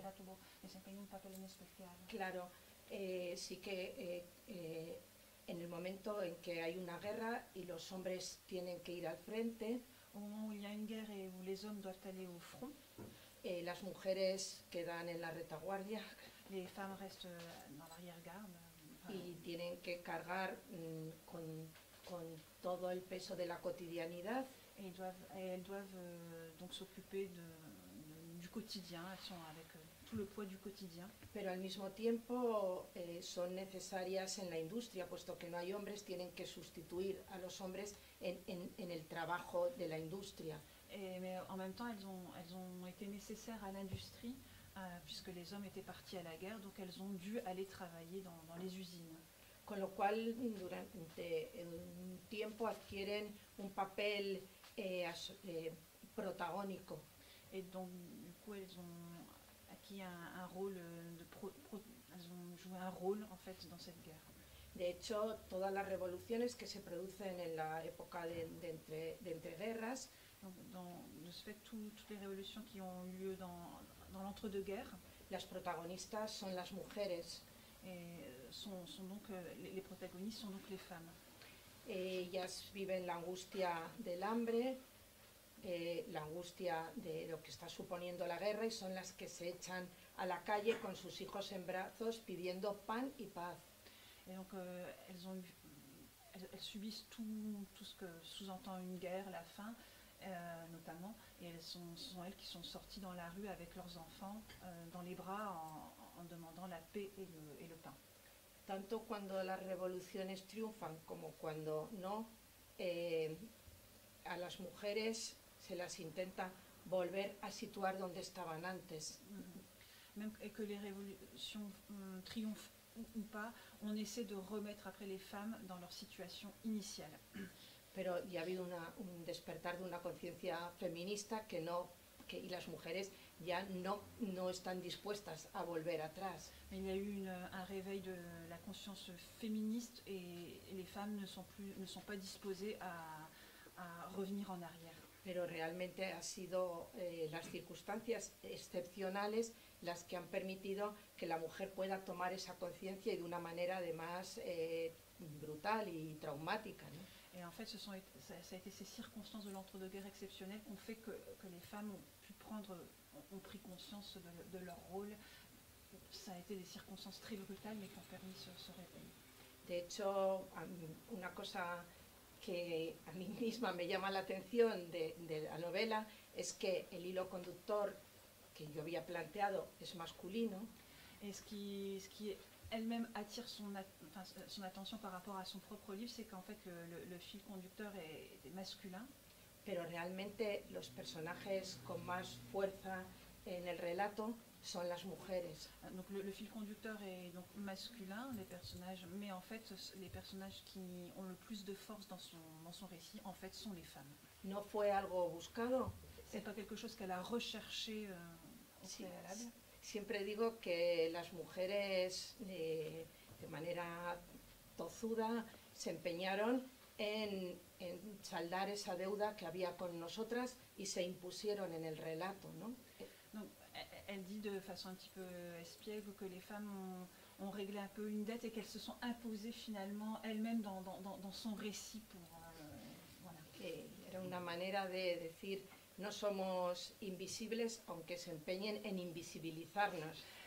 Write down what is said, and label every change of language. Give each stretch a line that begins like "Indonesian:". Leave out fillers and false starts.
Spanish: Guerra tuvo, desempeñó un papel en especial. Claro, sí que en el momento en que hay una guerra y los hombres tienen que ir al frente,
French: au moment où il y a une guerre et où les hommes doivent aller au front,
Spanish: las mujeres quedan en la retaguardia,
French: les femmes restent dans l'arrière-garde,
Spanish: y tienen que cargar con todo el peso de la cotidianidad,
French: et elles doivent donc s'occuper de du quotidien, elles sont avec tout le poids du quotidien.
Spanish: Pero al mismo tiempo son necesarias en la industria, puesto que no hay hombres, tienen que sustituir a los hombres en el trabajo de la industria.
French: Mais en même temps, elles ont été nécessaires à l'industrie, puisque les hommes étaient partis à la guerre, donc elles ont dû aller travailler dans les usines.
Spanish: Con lo cual, durante un tiempo adquieren un papel protagónico.
French: Et donc, du coup, elles ont acquis un rôle, elles ont joué un rôle, en fait, dans cette guerre.
Spanish: De hecho, todas las revoluciones que se producen en la época de entreguerras,
French: de ce fait, toutes les révolutions qui ont eu lieu dans l'entre-deux-guerres,
Spanish: las protagonistas son las mujeres.
French: Et sont donc, les protagonistes sont donc les femmes.
Spanish: Ellas viven la angustia del hambre, la angustia de lo que está suponiendo la guerra y son las que se echan a la calle con sus hijos en brazos pidiendo pan y paz.
French: Et donc elles subissent tout ce que sous-entend une guerre, la faim notamment, et elles sont elles qui sont sorties dans la rue avec leurs enfants dans les bras en demandant la paix et le pain.
Spanish: Tanto cuando las revoluciones triunfan como cuando no, a las mujeres se las intenta volver a situar donde estaban antes. Mm-hmm.
French: Même que les révolutions triomphent ou pas, on essaie de remettre après les femmes dans leur situation initiale.
Spanish: Pero ya ha habido un despertar de una conciencia feminista y las mujeres ya no están dispuestas a volver atrás.
French: Mais il y a eu un réveil de la conscience féministe et les femmes ne sont pas disposées à revenir en arrière.
Spanish: Pero realmente ha sido las circunstancias excepcionales las que han permitido que la mujer pueda tomar esa conciencia y de una manera además brutal y traumática, ¿no?
French: Et en fait, ça a été ces circonstances de l'entre-deux-guerres exceptionnelles qui ont fait que les femmes ont pris conscience de leur rôle. Ça a été des circonstances très brutales mais qui ont permis ce réveil.
Spanish: De hecho, una cosa que a mí misma me llama la atención de la novela es que el hilo conductor que yo había planteado es masculino. Es que
French: elle-même attire son atención par rapport
Spanish: a su propio libro,
French: c'est qu'en fait le fil conducteur est masculin.
Spanish: Pero realmente los personajes con más fuerza en el relato son las mujeres.
French: Donc le fil conducteur est donc masculin, les personnages, mais en fait les personnages qui ont le plus de force dans son récit en fait sont les femmes.
Spanish: No fue algo buscado.
French: C'est pas quelque chose qu'elle a recherché
Spanish: sí. Siempre digo que las mujeres de manera tozuda, se empeñaron en saldar esa deuda que había con nosotras y se impusieron en el relato, ¿no?
French: Donc, elle dit de façon un petit peu espiègle que les femmes ont réglé un peu une dette et qu'elles se sont imposées finalement elles-mêmes dans son récit pour voilà.
Spanish: Era una manera de decir no somos invisibles aunque se empeñen en invisibilizarnos.